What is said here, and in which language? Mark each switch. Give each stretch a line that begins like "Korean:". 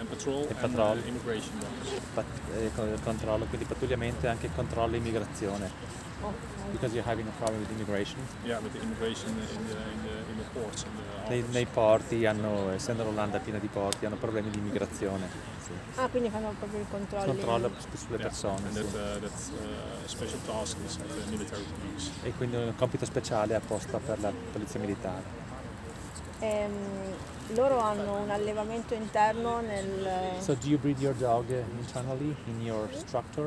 English: And patrol. And immigration dogs.
Italian: Controllo, quindi pattugliamento e anche controllo immigrazione.
English: Because you're having a problem with immigration. Yeah, with the immigration in the ports.
Italian: Nei porti hanno, essendo l'Olanda piena di porti, hanno problemi di immigrazione. Ah, quindi fanno proprio il controllo. Controllo sulle persone.
English: And that's a special task of the military police.
Italian: E quindi un compito speciale apposta per la polizia militare. Loro hanno un allevamento interno nel.
English: So do you breed your dog internally in your structure?